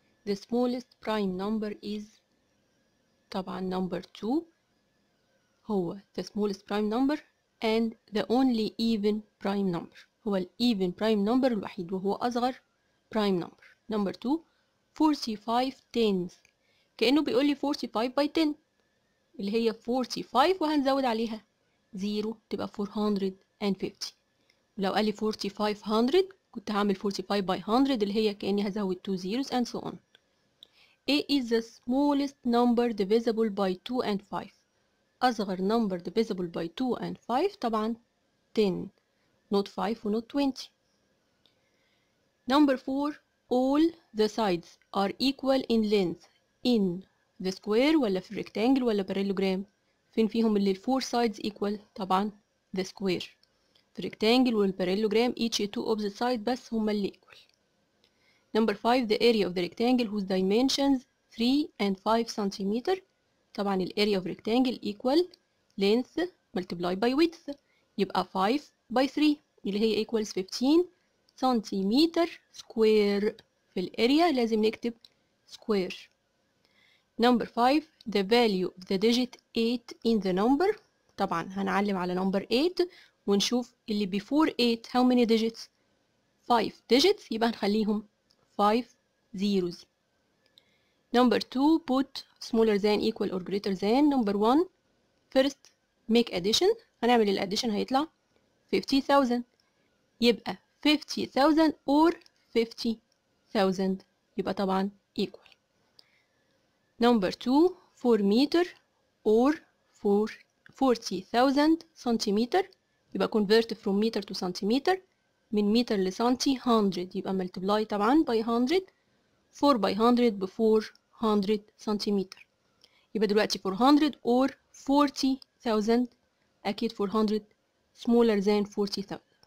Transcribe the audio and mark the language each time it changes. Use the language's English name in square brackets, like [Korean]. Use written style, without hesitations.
[English] The smallest prime number is, [Arabic] طبعا [English] number 2 [Arabic] هو [English] the smallest prime number and the only even prime number [Arabic] هو ال [English] even prime number [Arabic] الوحيد وهو أصغر [English] prime number. Number 2, 45 tens. [Arabic] كأنه بيقول لي [English] 45 by 10 [Arabic] اللي هي 45 وهنزود عليها 0 تبقى 450. ولو قال لي 4500 كنت هعمل [English] 45 by 100 [Arabic] اللي هي كأني هزود [English] 2 zeros and so on. A is the smallest number divisible by 2 and 5. [Arabic] أصغر [English] number divisible by 2 and 5 [Arabic] طبعا [English] 10. Not 5 ونوت 20. Number 4. All the sides are equal in length. In the square [Arabic] ولا في [English] rectangle [Arabic] ولا [English] parallelogram. [Arabic] فين فيهم اللي [English] 4 sides equal [Arabic] طبعا [English] the square. [Arabic] في [English] rectangle والparallelogram each a two opposite sides [Arabic] بس هما اللي [English] equal. Number 5, the area of the rectangle whose dimensions 3 and 5 centimeter. [Arabic] طبعا ال [English] area of rectangle equal length multiplied by width. [Arabic] يبقى [English] 5 by 3 [Arabic] اللي هي [English] equals 15 centimeter square. [Arabic] في ال [English] area [Arabic] لازم نكتب [English] square. Number 5, the value of the digit 8 in the number. [Arabic] طبعا هنعلم على [English] number 8 [Arabic] ونشوف اللي [English] before 8 how many digits? 5 digits [Arabic] يبقى هنخليهم [English] 5 zeros. Number 2, put smaller than equal or greater than. Number 1, first make addition. [Arabic] هنعمل ال addition هيطلع 50,000. يبقى 50,000 or 50,000 يبقى طبعا equal. [English] Number 2, 4 meter or 40,000 centimeter. [Arabic] يبقى [English] convert from meter to centimeter. [Arabic] من متر لسنتي 100 يبقى multiply طبعا [English] by 100. [Arabic] 4 by 100 ب 400 سنتيمتر يبقى دلوقتي 400 or 40,000 أكيد 400 [English] smaller than [Arabic] 40,000.